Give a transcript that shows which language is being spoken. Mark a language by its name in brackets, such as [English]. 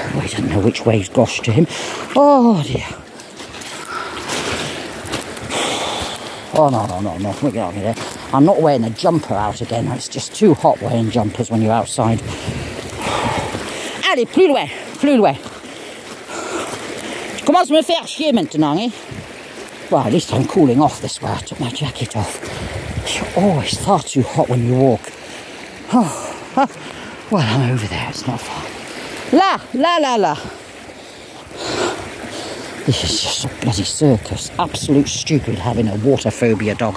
[English] Oh, he doesn't know which way is gauche to him. Oh, dear. Oh, no. We're going to get there. I'm not wearing a jumper out again. It's just too hot wearing jumpers when you're outside. [French] Allez, plus loin. Je commence à me faire chier maintenant, eh? [English] Well, at least I'm cooling off this way. I took my jacket off. You're always far too hot when you walk. Oh, well, I'm over there. It's not far. [French] La. [English] This is just a bloody circus. Absolute stupid having a water phobia dog.